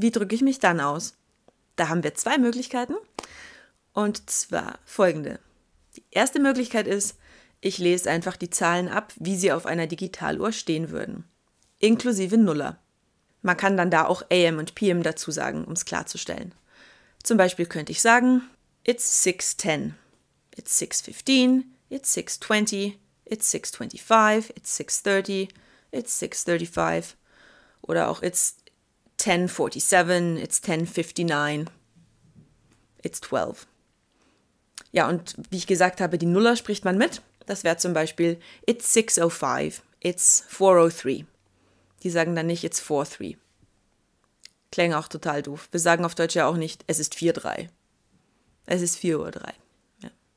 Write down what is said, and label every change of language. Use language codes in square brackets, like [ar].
[de] Wie drücke ich mich dann aus? Da haben wir zwei Möglichkeiten. Und zwar folgende. Die erste Möglichkeit ist, ich lese einfach die Zahlen ab, wie sie auf einer Digitaluhr stehen würden. Inklusive Nuller. Man kann dann da auch AM und PM dazu sagen, um es klarzustellen. Zum Beispiel könnte ich sagen, [en] it's 6:10, it's 6:15, it's 6:20, it's 6:25, it's 6:30, it's 6:35 [de] oder auch [en] it's 10:47, it's 10:59, it's 12. [de] Ja, und wie ich gesagt habe, die Nuller spricht man mit. Das wäre zum Beispiel, [en] it's 6:05, it's 4:03. [de] Die sagen dann nicht, [en] it's 4:03. [de] Klingt auch total doof. Wir sagen auf Deutsch ja auch nicht, es ist 4:03. Es ist 4:03. Ja.